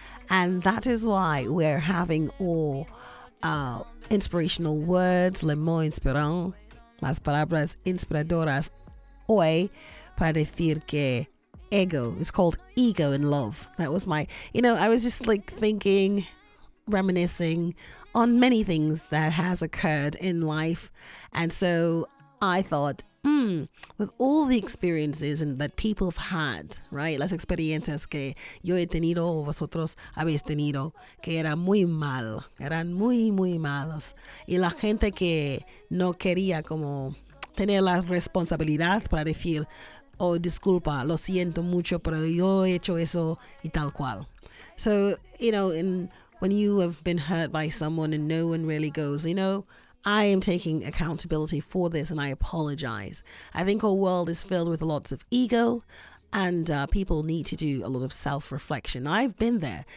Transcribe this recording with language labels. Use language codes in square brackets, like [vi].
[en] And that is why we're having all inspirational words, [fr] le mot inspirant, [es] las palabras inspiradoras hoy [en] para decir que ego, it's called ego in love. That was my, you know, I was just like thinking, reminiscing on many things that has occurred in life. And so I thought, with all the experiences and that people have had, right? [es] Las experiencias que yo he tenido o vosotros habéis tenido, que era muy mal, eran muy, muy malos. Y la gente que no quería como tener la responsabilidad para decir, oh, disculpa, lo siento mucho, pero yo he hecho eso y tal cual. [en] So, you know, and when you have been hurt by someone and no one really goes, you know, I am taking accountability for this and I apologize. I think our world is filled with lots of ego and people need to do a lot of self-reflection. I've been there.